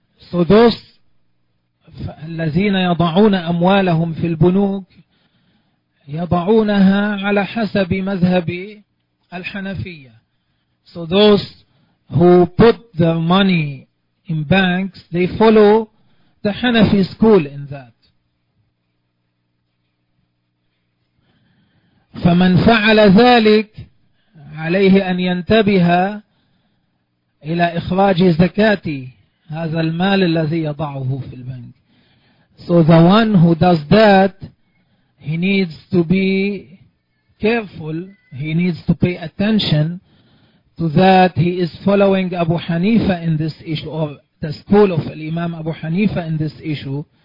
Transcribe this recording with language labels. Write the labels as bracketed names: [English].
[English] So those [Arabic] الذين يضعون أموالهم في البنوك يضعونها على حسب مذهب الحنفية. [English] So those who put their money in banks, they follow the Hanafi school in that. [Arabic] فمن فعل ذلك عليه أن ينتبه إلى إخراج زكاة هذا المال الذي يضعه في البنك. [English] So the one who does that, he needs to be careful, he needs to pay attention to that he is following Abu Hanifa in this issue, or the school of Imam Abu Hanifa in this issue.